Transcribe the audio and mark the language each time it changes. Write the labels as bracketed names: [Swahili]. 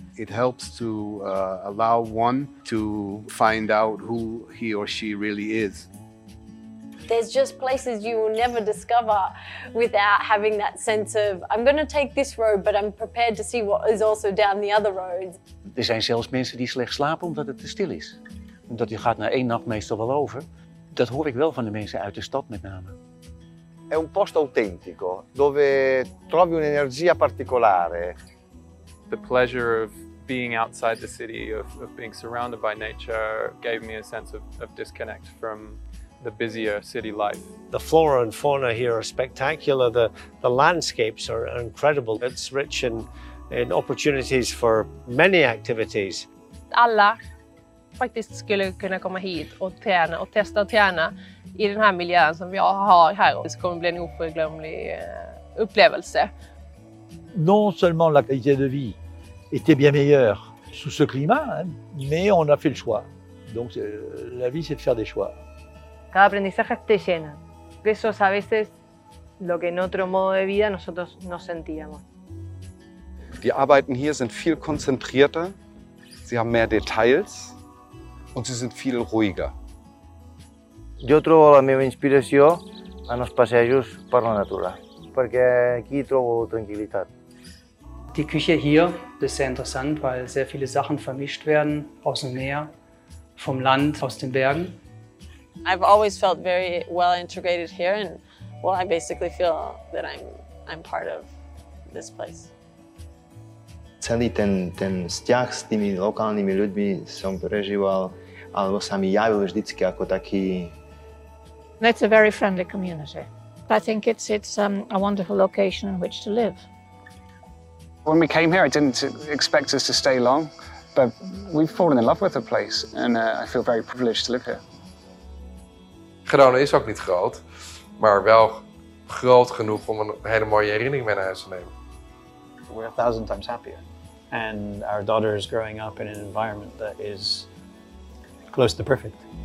[English] It helps to allow one to find out who he or she really is. There's just places you will never discover without having that sense of, I'm going to take this road, but I'm prepared to see what is also down the other road. [Dutch] Er zijn zelfs mensen die slecht slapen omdat het te stil is. Omdat je gaat na één nacht meestal wel over. Dat hoor ik wel van de mensen uit de stad met name. [Italian] È un posto autentico dove trovi un'energia particolare. [English] The pleasure of being outside the city, of being surrounded by nature, gave me a sense of disconnect from the busier city life. The flora and fauna here are spectacular. The landscapes are incredible. It's rich in opportunities for many activities. [Swedish] Alla faktiskt skulle kunna komma hit och träna och testa och träna i den här miljön som jag har här. Det kommer bli en oförglömlig upplevelse. [French] Non seulement la qualité de vie était bien meilleure sous ce climat, mais on a fait le choix. Donc la vie c'est de faire des choix. [Spanish] Cada aprendizaje te llena. Eso es a veces lo que en otro modo de vida nosotros no sentíamos. [German] Die Arbeiten hier sind viel konzentrierter. Sie haben mehr Details und sie sind viel ruhiger. [Catalan] Jo trobo la meva inspiració en els passejos per la natura, perquè aquí trobo tranquil·litat. [German] Die Küche hier ist sehr interessant, weil sehr viele Sachen vermischt werden aus dem Meer, vom Land, aus den Bergen. [English] I've always felt very well integrated here and well, I basically feel that I'm part of this place. [Slovak] Celý ten vzťah s tými lokálnymi ľuďmi som prežíval, alebo sa mi javil vždycky ako taký. [English] It's a very friendly community. I think it's a wonderful location in which to live. When we came here, I didn't expect us to stay long, but we've fallen in love with the place and I feel very privileged to live here. [Dutch] Girona is ook niet groot, maar wel groot genoeg om een hele mooie herinnering mee naar huis te nemen. [English] We're 1,000 times happier. And our daughter is growing up in an environment that is close to perfect.